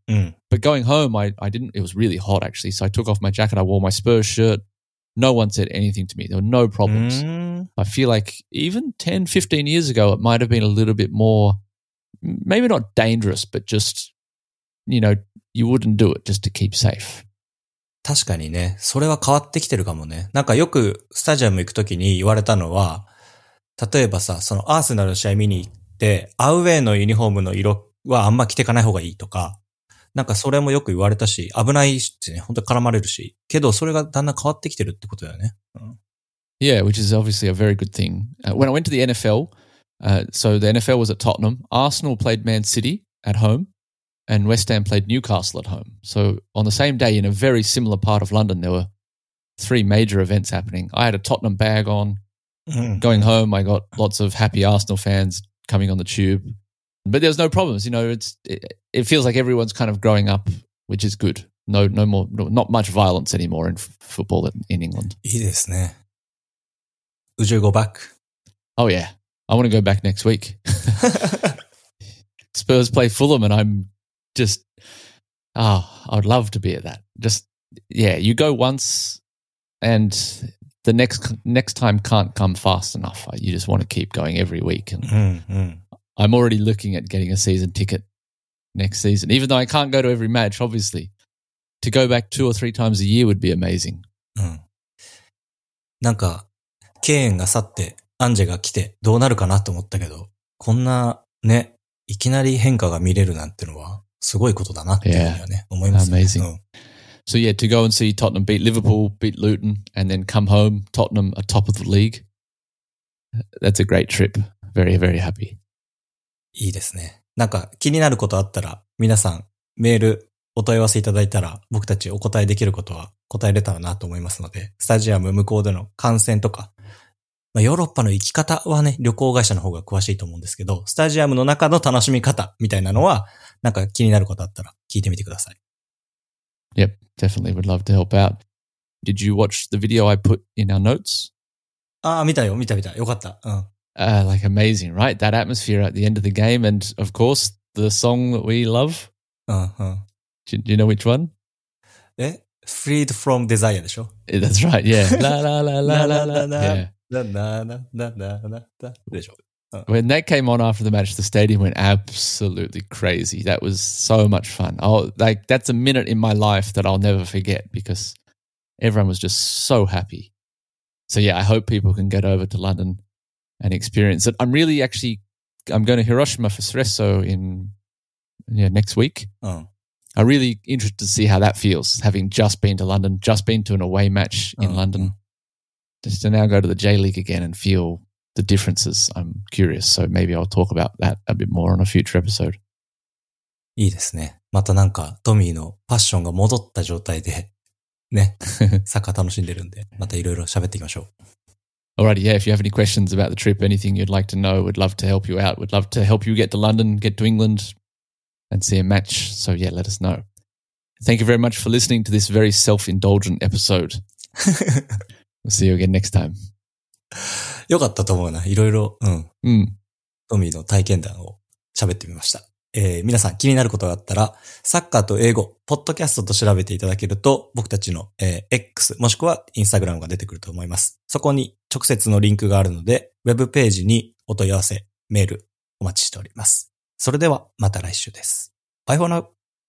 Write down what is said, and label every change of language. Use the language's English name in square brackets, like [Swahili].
[English] But going home, I didn't. It was really hot, actually. So I took off my jacket. I wore my Spurs shirt. No one said anything to me. There were no problems. I feel like even 10, 15 years ago, it might have been a little bit more, maybe not dangerous, but just, you know, you wouldn't do it just to keep safe. [Japanese] 確かにね。それは変わってきてるかもね。なんかよくスタジアム行くときに言われたのは、例えばさ、そのアーセナルの試合見に行って、アウェイのユニフォームの色はあんま着てかない方がいいとか、なんかそれもよく言われたし、危ないしね、本当に絡まれるし、けどそれがだんだん変わってきてるってことだよね。 [English] Yeah, which is obviously a very good thing. When I went to the NFL, so the NFL was at Tottenham, Arsenal played Man City at home, and West Ham played Newcastle at home. So on the same day, in a very similar part of London, there were three major events happening. I had a Tottenham bag on. Going home, I got lots of happy Arsenal fans coming on the tube. But there's no problems. You know, it feels like everyone's kind of growing up, which is good. Not much violence anymore in football in England. [Japanese] いいですね。 [English] Would you go back? Oh, yeah. I want to go back next week. Spurs play Fulham, and I'm just, I would love to be at that. Just, yeah, you go once and the next time can't come fast enough. You just want to keep going every week. And I'm already looking at getting a season ticket next season, even though I can't go to every match, obviously. To go back 2 or 3 times a year would be amazing. [Japanese] なんか、ケーンが去って、アンジェが来てどうなるかなと思ったけど、こんなね、いきなり変化が見れるなんてのはすごいことだなっていうふうにはね、 [English] yeah. [Japanese] 思いますね。 [English] Amazing. So yeah, to go and see Tottenham beat Liverpool, beat Luton, and then come home, Tottenham are top of the league. That's a great trip. Very, very happy. [Japanese] いいですね。なんか気になることあったら、皆さんメール、お問い合わせいただいたら、僕たちお答えできることは答えれたらなと思いますので、スタジアム向こうでの観戦とか、まあ、ヨーロッパの行き方はね、旅行会社の方が詳しいと思うんですけど、スタジアムの中の楽しみ方みたいなのは、なんか気になることあったら聞いてみてください。 [English] Yep, definitely would love to help out. Did you watch the video I put in our notes? [Japanese] ああ、見たよ、見た見た。よかった。うん。 [English] Like amazing, right? That atmosphere at the end of the game and of course, the song that we love. Do you know which one? Eh? Freed from Desire, でしょ? That's right, yeah. La la la la la la la la la la la la la la la でしょ? When that came on after the match, the stadium went absolutely crazy. That was so much fun. Oh, like that's a minute in my life that I'll never forget because everyone was just so happy. So yeah, I hope people can get over to London and experience it. I'm really actually, I'm going to Hiroshima for Sresso in next week. I'm really interested to see how that feels, having just been to London, just been to an away match in London. Just to now go to the J-League again and feel the differences, I'm curious. So maybe I'll talk about that a bit more on a future episode. [Japanese] いいですね。またなんかトミーのパッションが戻った状態でね、サッカー楽しんでるんで、またいろいろ喋っていきましょう。 [English] Alrighty, yeah, if you have any questions about the trip, anything you'd like to know, we'd love to help you out. We'd love to help you get to London, get to England and see a match. So yeah, let us know. Thank you very much for listening to this very self-indulgent episode. We'll see you again next time. [Japanese] よかったと思うな。いろいろ、トミーの体験談を喋ってみました。皆さん気になることがあったら、サッカーと英語、ポッドキャストと調べていただけると、僕たちの、X もしくはインスタグラムが出てくると思います。そこに直接のリンクがあるので、ウェブページにお問い合わせ、メールお待ちしております。それではまた来週です。 [English] Bye for now!